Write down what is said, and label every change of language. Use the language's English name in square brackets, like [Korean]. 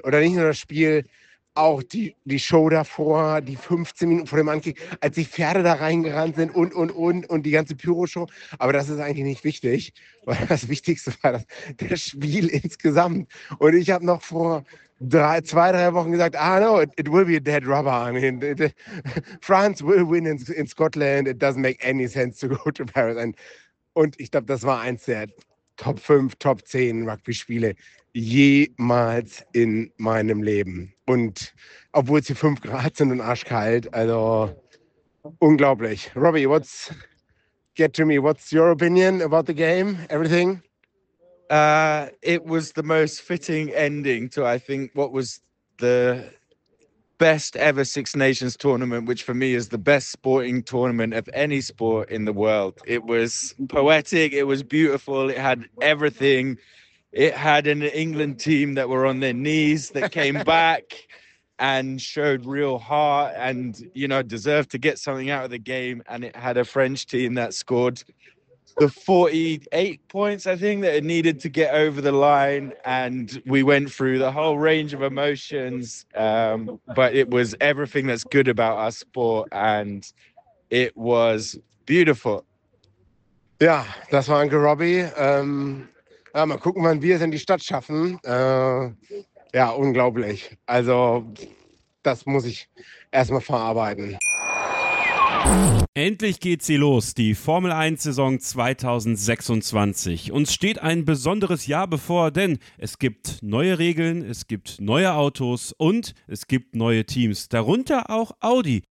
[German] Oder nicht nur das Spiel, auch die Show davor, die 15 Minuten vor dem Anstieg, als die Pferde da reingerannt sind und die ganze Pyro-Show. Aber das ist eigentlich nicht wichtig, weil das Wichtigste war das Spiel insgesamt. Und ich habe noch vor zwei, drei Wochen gesagt, [English] ah no, it will be a dead rubber. I mean, France will win in Scotland. It doesn't make any sense to go to Paris. [German] Und ich glaube, das war eins der Top 5, Top 10 Rugby-Spiele jemals in meinem Leben. Und obwohl es hier 5 Grad sind und arschkalt, also unglaublich. [English] Robbie, what's your opinion about the game, everything? It was the most fitting ending to, I think, what was the best ever Six Nations tournament, which for me is the best sporting tournament of any sport in the world. It was poetic, it was beautiful, it had everything. It had an England team that were on their knees that came back and showed real heart and, you know, deserved to get something out of the game. And it had a French team that scored the 48 points, I think, that it needed to get over the line. And we went through the whole range of emotions. But it was everything that's good about our sport. And it was beautiful. Yeah, that's my Uncle Robbie. [German] Ja, mal gucken, wann wir es in die Stadt schaffen. Ja, unglaublich. Also, das muss ich erstmal verarbeiten. Endlich geht sie los, die Formel 1-Saison 2026. Uns steht ein besonderes Jahr bevor, denn es gibt neue Regeln, es gibt neue Autos und es gibt neue Teams, darunter auch Audi.